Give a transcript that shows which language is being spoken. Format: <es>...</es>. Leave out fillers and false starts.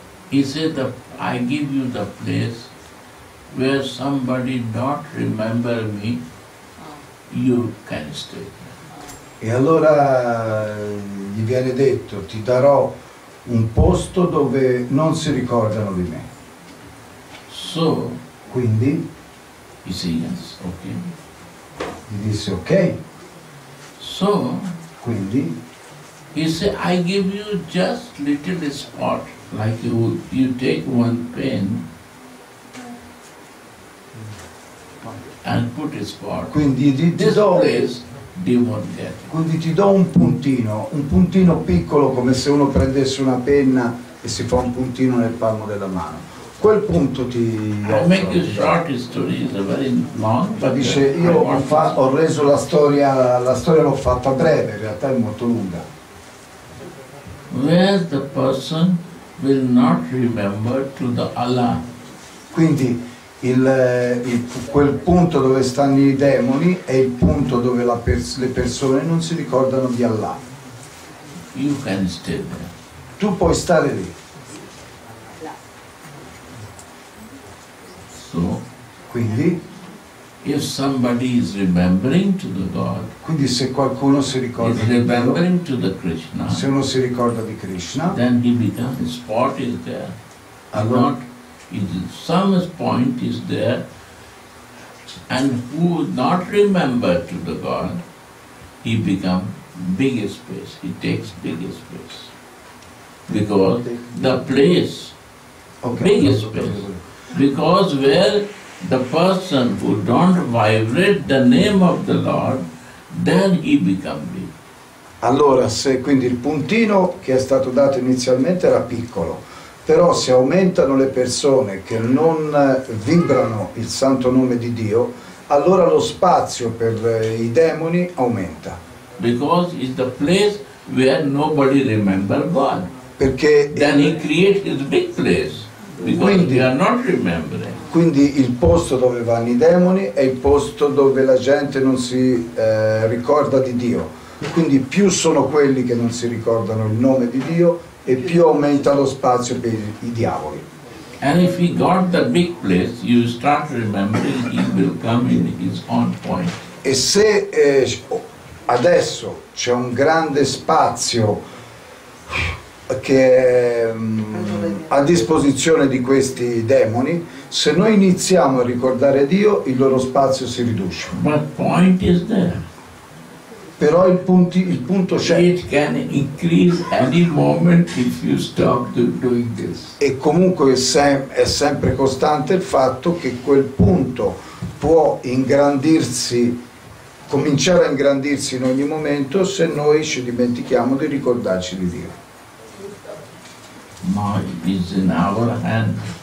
<en>He said, I give you the place where somebody not remember me, you can stay.</en> <it>E allora gli viene detto, ti darò un posto dove non si ricordano di me.</it> <en>So,</en> <it>quindi,</it> <en>he said, yes, okay.</en> <it>Gli disse, ok.</it> <en>So,</en> <it>quindi,</it> <en>he said, I give you just little spot. Like you take one pen and put a spot.</en> <it>Quindi ti do un puntino piccolo, come se uno prendesse una penna e si fa un puntino nel palmo della mano. Quel punto ti offro.</it> <en>I make a short story, it's a very long.</en> <it>Ma dice, io ho reso la storia l'ho fatta breve, in realtà è molto lunga.</it> <en>Where the person will not remember to the Allah.</en> <it>Quindi quel punto dove stanno i demoni è il punto dove le persone non si ricordano di Allah.</it> <en>You can stay there.</en> <it>Tu puoi stare lì.</it> <en>So,</en> <it>quindi,</it> <en>if somebody is remembering to the God,</en> <it>quindi se qualcuno si ricorda</it> <en>is remembering</en> <it>di Dio,</it> <en>to the Krishna,</en> <it>se uno si ricorda di Krishna,</it> <en>then he becomes, the spot is there,</en> <it>allora,</it> <en>not, is some point is there, and who not remember to the God, he becomes big space, he takes big space, because the place, okay, big space, because where the person who don't vibrate the name of the Lord, then he become big.</en> <it>Allora, se quindi il puntino che è stato dato inizialmente era piccolo, però se aumentano le persone che non vibrano il santo nome di Dio, allora lo spazio per i demoni aumenta.</it> <en>Because it's the place where nobody remember God.</en> <it>Perché</it> <en>then he create his big place.</en> <it>Quindi,</it> <en>they are not remembering.</en> <it>Quindi il posto dove vanno i demoni è il posto dove la gente non si ricorda di Dio. Quindi più sono quelli che non si ricordano il nome di Dio e più aumenta lo spazio per i diavoli.</it> <en>And if he got the big place, you start remembering, he will come in his own point.</en> <it>E se adesso c'è un grande spazio che a disposizione di questi demoni, se noi iniziamo a ricordare Dio, il loro spazio si riduce.</it> <en>But point is there.</en> <it>Però il punto c'è.</it> <en>It can increase any moment if you stop doing this.</en> <it>E comunque è sempre costante il fatto che quel punto può ingrandirsi, cominciare a ingrandirsi in ogni momento se noi ci dimentichiamo di ricordarci di Dio.</it> <en>Ma is in our hand.</en>